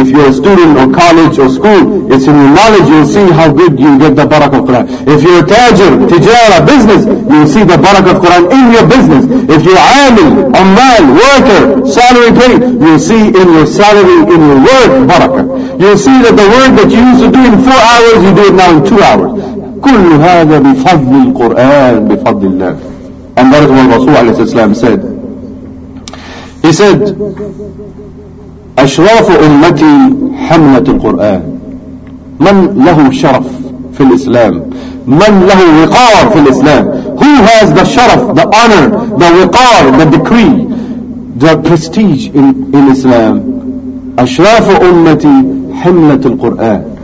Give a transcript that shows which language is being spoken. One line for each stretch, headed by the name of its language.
English: If you're a student or college or school, it's in your knowledge, you'll see how good you get the barakah of Quran. If you're a tajir, tijara, business, you'll see the barakah of Quran in your business. If you're amil, ammal, worker, salary paid, you'll see in your salary, in your work, barakah. You'll see that the work that you used to do in 4 hours, you do it now in 2 hours.
Arabic: كل هذا بفضل القرآن بفضل الله.
English: And that is what Rasulullah عليه الصلاة والسلام said. He said,
Arabic: أشرف أمتي حملة القرآن. من له شرف في الإسلام؟
English: من له وقار في الإسلام؟ Who has the شرف, the honor, the وقار, the decree, the prestige in Islam?
Arabic: أشرف أمتي حملة القرآن.